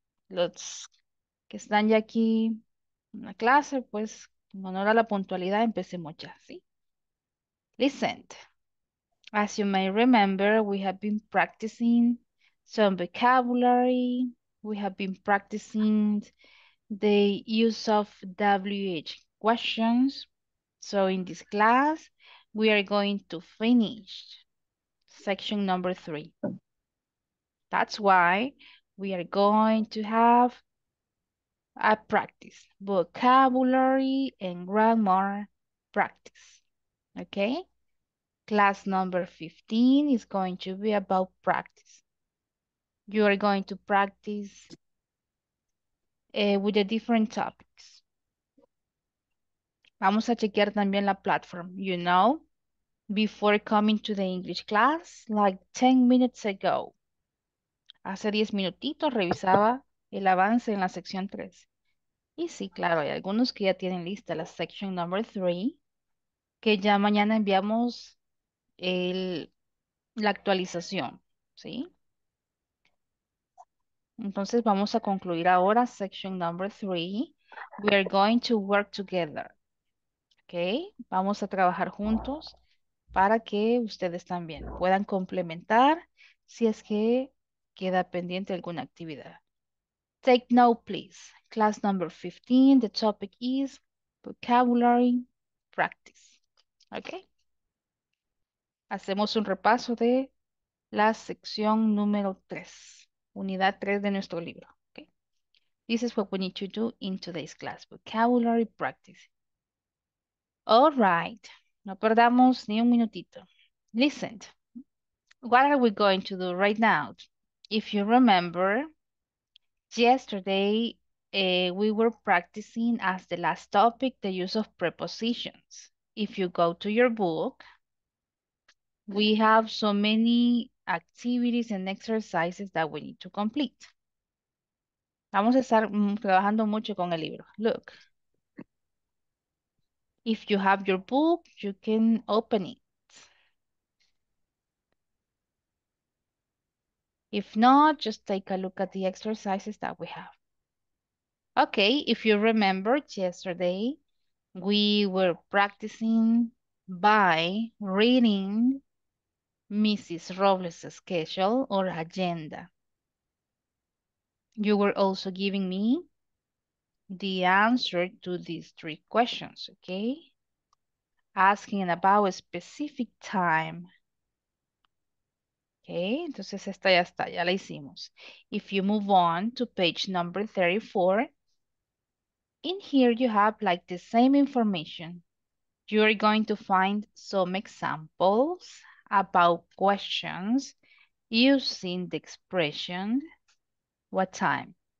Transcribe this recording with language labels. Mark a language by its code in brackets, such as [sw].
[es] Los que están ya aquí en la clase, pues en honor a la puntualidad, empecemos ya, ¿sí? [en] Listen. As you may remember, we have been practicing some vocabulary. We have been practicing the use of WH questions. So in this class, we are going to finish section number 3. That's why we are going to have a practice, vocabulary and grammar practice. Okay? Class number 15 is going to be about practice. You are going to practice with the different topics. [es] Vamos a chequear también la plataforma. [en] You know, before coming to the English class, like 10 minutes ago. [es] Hace 10 minutitos revisaba el avance en la sección 3. Y sí, claro, hay algunos que ya tienen lista la [en] section number 3, [es] que ya mañana enviamos la actualización, ¿sí? Entonces vamos a concluir ahora [en] section number 3. We are going to work together. [es] Okay, vamos a trabajar juntos para que ustedes también puedan complementar si es que queda pendiente alguna actividad. [en] Take note, please. Class number 15, the topic is vocabulary practice. Okay. [es] Hacemos un repaso de la sección número 3, unidad 3 de nuestro libro. [en] Okay. This is what we need to do in today's class, vocabulary practice. All right, [es] no perdamos ni un minutito. [en] Listen, what are we going to do right now? If you remember, yesterday we were practicing as the last topic the use of prepositions. If you go to your book, we have so many activities and exercises that we need to complete. Vamos a estar trabajando mucho con el libro. Look. If you have your book, you can open it. If not, just take a look at the exercises that we have. Okay, if you remember yesterday, we were practicing by reading Mrs. Robles' schedule or agenda. You were also giving me the answer to these three questions, okay? Asking about a specific time. [es] Okay, entonces esta ya está, ya la hicimos. [en] If you move on to page number 34, in here you have like the same information. You are going to find some examples about questions using the expression, what time?